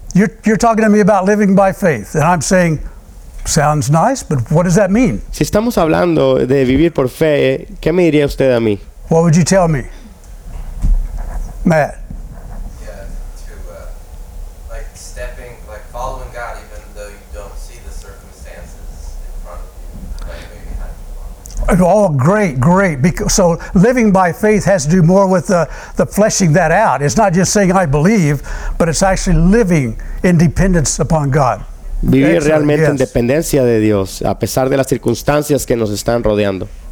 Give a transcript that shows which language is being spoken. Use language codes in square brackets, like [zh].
[en] You're talking to me about living by faith, and I'm saying, sounds nice, but what does that mean? [es] Si estamos hablando de vivir por fe, ¿qué me diría usted a mí? [en] What would you tell me, Matt? Yeah, to like following God even though you don't see the circumstances in front of you. Like maybe have to. Oh, great. So living by faith has to do more with the fleshing that out. It's not just saying I believe, but it's actually living in dependence upon God. Vivir excellent. Realmente yes. [es] En dependencia de Dios, a pesar de las circunstancias que nos están rodeando.